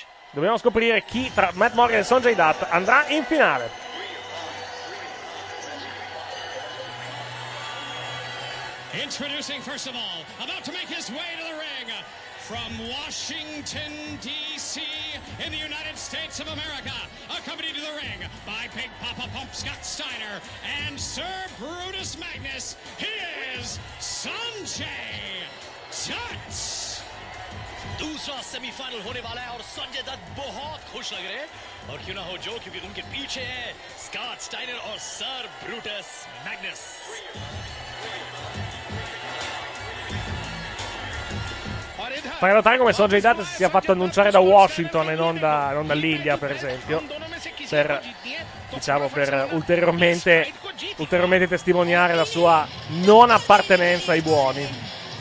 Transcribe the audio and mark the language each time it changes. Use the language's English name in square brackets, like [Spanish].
[Italian] Dobbiamo scoprire chi tra Matt Morgan e Sanjay Dutt andrà in finale. [English] Introducing first of all, about to make his way to the ring from Washington DC in the United States of America, accompanied to the ring by Big Papa Pump Scott Steiner and Sir Brutus Magnus. He is Sanjay Dutt. [Hindi] दूसरा semifinal होने वाला है और संजय दत्त बहुत खुश लग रहे हैं और क्यों ना हो जो क्योंकि उनके पीछे है स्कॉट स्टाइनर और sir Brutus Magnus. [Italian] Fai notare come Sanjay Dutt si sia fatto annunciare da Washington e non da l'India, per esempio, per ulteriormente testimoniare la sua non appartenenza ai buoni.